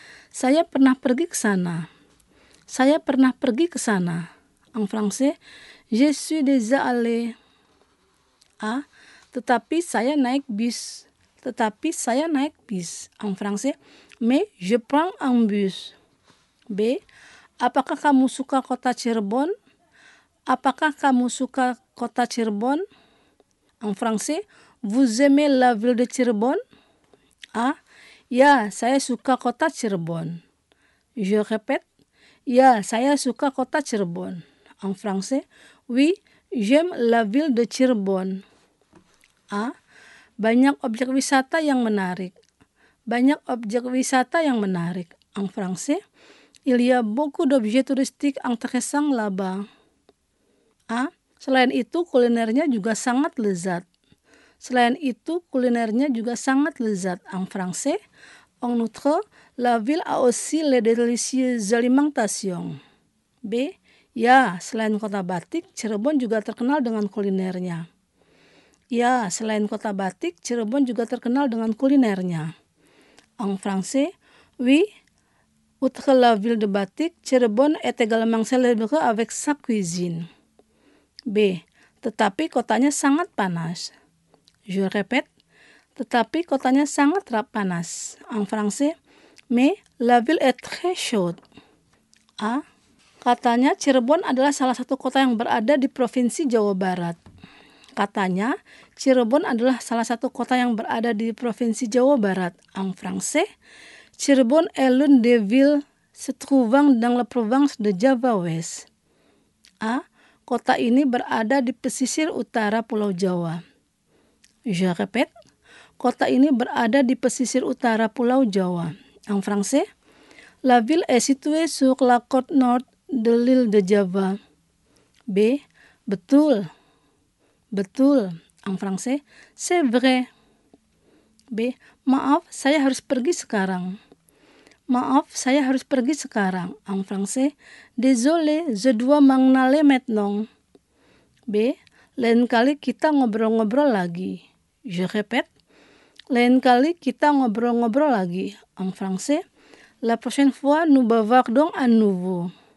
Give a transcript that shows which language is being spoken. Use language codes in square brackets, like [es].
[id] Saya pernah pergi ke sana. Saya pernah pergi ke sana. [fr] En français, je suis déjà allé. A. [id] Tetapi saya naik bus. Tetapi saya naik bus. [fr] En français, mais je prends un bus. B. [id] Apakah kamu suka kota Cirebon? Apakah kamu suka kota Cirebon? [fr] En français, vous aimez la ville de Cirebon? A. [id] Ya, saya suka kota Cirebon. [fr] Je répète. [id] Ya, saya suka kota Cirebon. [fr] En français, oui, j'aime la ville de Cirebon. A. [id] Banyak objek wisata yang menarik. Banyak objek wisata yang menarik. [fr] En français, il y a beaucoup d'objets touristiques intéressants là-bas. A. [id] Selain itu, kulinernya juga sangat lezat. Selain itu, kulinernya juga sangat lezat. [fr] En français, en outre, la ville a aussi les délicieuses alimentations. B. [id] Ya, selain kota batik, Cirebon juga terkenal dengan kulinernya. Ya, selain kota batik, Cirebon juga terkenal dengan kulinernya. [fr] En français, oui, outre la ville de batik, Cirebon est également célèbre avec sa cuisine. [id] B, tetapi kotanya sangat panas. [fr] Je répète, [id] tetapi kotanya sangat panas. [fr] En français, mais la ville est très chaude. [id] A, katanya Cirebon adalah salah satu kota yang berada di Provinsi Jawa Barat. Katanya, Cirebon adalah salah satu kota yang berada di Provinsi Jawa Barat. [fr] En français, Cirebon est l'une des villes se trouvant dans la province de Java West. A. [id] Kota ini berada di pesisir utara Pulau Jawa. [fr] Je répète, [id] kota ini berada di pesisir utara Pulau Jawa. [fr] En français, la ville est située sur la côte nord de l'île de Java. B. [id] Betul. Betul, [fr] en français, c'est vrai. B. [id] Maaf, saya harus pergi sekarang. Maaf, saya harus pergi sekarang. [fr] En français, désolé, je dois m'en aller maintenant. B. [id] Lain kali kita ngobrol-ngobrol lagi. [fr] Je répète, [id] lain kali kita ngobrol-ngobrol lagi. [fr] En français, la prochaine fois, nous bavardons à nouveau.